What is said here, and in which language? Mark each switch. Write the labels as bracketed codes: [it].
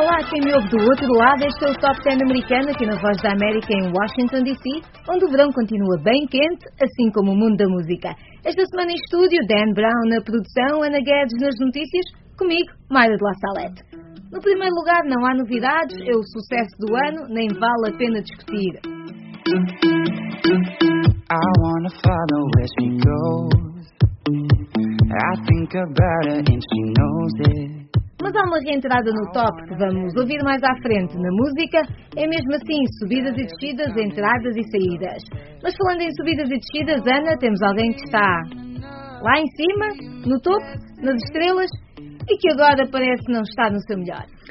[pt] Quem me ouve do outro lado, este é o Top 10 americano aqui na Voz da América em Washington, D.C., onde o verão continua bem quente, assim como o mundo da música. Esta semana em estúdio, Dan Brown na produção, Ana Guedes nas notícias, comigo, Mayra de La Salette. No primeiro lugar, não há novidades, é o sucesso do ano, nem vale a pena discutir. [en] I wanna follow where she goes. I think about her and she knows it. [pt] Mas há uma reentrada no top que vamos ouvir mais à frente na música. É mesmo assim, subidas e descidas, entradas e saídas. Mas falando em subidas e descidas, Ana, temos alguém que está lá em cima, no topo, nas estrelas, e que agora parece não estar no seu melhor.